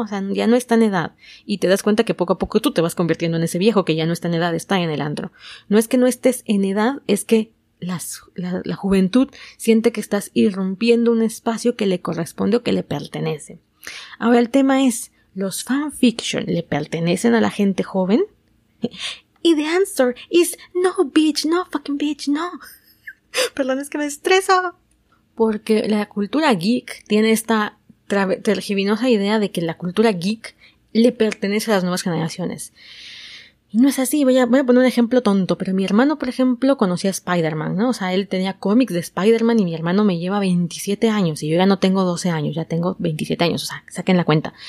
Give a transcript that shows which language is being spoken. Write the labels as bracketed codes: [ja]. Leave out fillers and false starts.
[es] O sea, ya no está en edad. Y te das cuenta que poco a poco tú te vas convirtiendo en ese viejo que ya no está en edad, está en el antro. No es que no estés en edad, es que la juventud siente que estás irrumpiendo un espacio que le corresponde o que le pertenece. Ahora, el tema es, ¿los fanfiction le pertenecen a la gente joven? Y [en] the answer is no, bitch, no, fucking bitch, no. [es] Perdón, es que me estreso. Porque la cultura geek tiene esta tergiversada idea de que la cultura geek le pertenece a las nuevas generaciones. Y no es así. Voy a poner un ejemplo tonto, pero mi hermano, por ejemplo, conocía a Spider-Man, ¿no? O sea, él tenía cómics de Spider-Man y mi hermano me lleva 27 años y yo ya no tengo 12 años, ya tengo 27 años. O sea, saquen la cuenta.